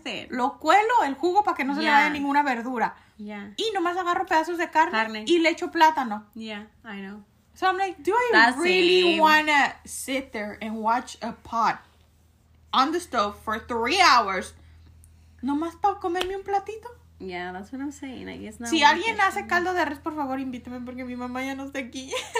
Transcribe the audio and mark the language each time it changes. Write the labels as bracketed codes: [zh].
[es] Lo cuelo, el jugo, para que no se le vaya ninguna verdura. [en] Yeah. [es] Y nomás agarro pedazos de carne. Y le echo plátano. [en] Yeah, I know. So I'm like, do I That's really want to sit there and watch a pot on the stove for 3 hours? [es] Nomás para comerme un platito. [en] Yeah, that's what I'm saying. I guess not. [es] Si alguien hace anymore. Caldo de res, por favor, invíteme porque mi mamá ya no está aquí.